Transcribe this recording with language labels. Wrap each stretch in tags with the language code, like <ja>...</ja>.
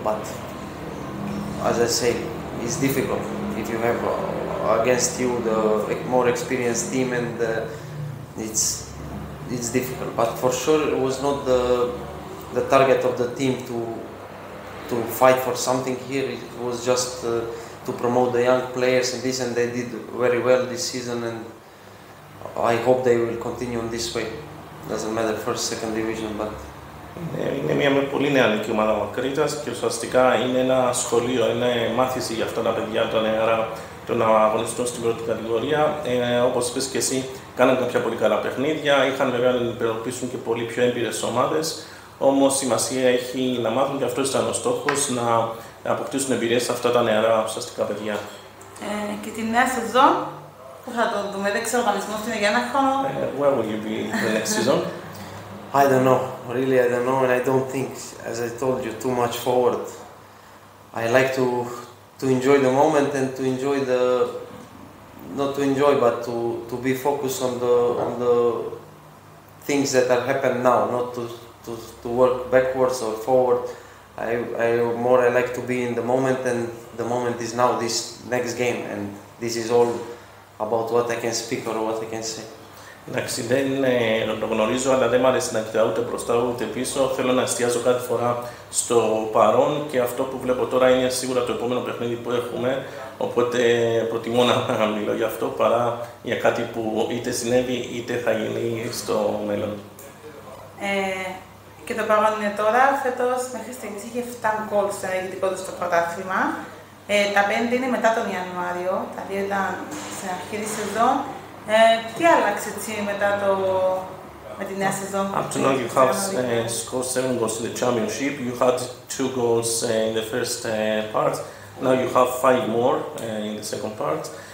<en>But as I say, it's difficult if you have against you the more experienced team, and it's difficult, but for sure it was not the target of the team to fight for something here. It was just to promote the young players and this, and they did very well this season, and I hope they will continue in this way. Doesn't matter first, second division, but</en> <el>είναι μια πολύ νεανική ομάδα ο Ακρίτας και ουσιαστικά είναι ένα σχολείο, ένα μάθηση για αυτά τα παιδιά, τα νεαρά, το να αγωνιστούν στην πρώτη κατηγορία. Όπως είπες και εσύ, κάναν κάποια πολύ καλά παιχνίδια, είχαν βέβαια να υπεροπίσουν και πολύ πιο έμπειρες ομάδες. Όμως σημασία έχει να μάθουν, και αυτό ήταν ο στόχος, να αποκτήσουν εμπειρίες αυτά τα νεαρά ουσιαστικά παιδιά. Και τη νέα σεζόν, πού θα το δούμε, δεν ξέρω, οργανισμός είναι για ένα χρόνο.</el> <en>Where will you be the next season? I don't know, really I don't know, and I don't think, as I told you, too much forward. I like to enjoy the moment and to enjoy the, not to enjoy, but to be focused on the things that are happen now, not to work backwards or forward. I like to be in the moment, and the moment is now, this next game, and this is all about what I can speak or what I can say.</en> <el>Εντάξει, δεν το γνωρίζω, αλλά δεν μ' αρέσει να κοιτάω ούτε μπροστά ούτε πίσω. Θέλω να εστιάζω κάθε φορά στο παρόν, και αυτό που βλέπω τώρα είναι σίγουρα το επόμενο παιχνίδι που έχουμε. Οπότε προτιμώ να μιλώ για αυτό παρά για κάτι που είτε συνέβη είτε θα γίνει στο μέλλον. Και το παρόν είναι τώρα. Φέτος μέχρι στιγμής είχε 7 γκολ στο ηγετικό του στο πρωτάθλημα. Τα 5 είναι μετά τον Ιανουάριο, τα 2 ήταν στην αρχή της σεζόν. Τι άλλαξε μετά με τη νέα σεζόν?</el> <en>Up to now you have scored 7 goals in the championship. You had 2 goals in the first part. Now you have 5 more in the second part.</en>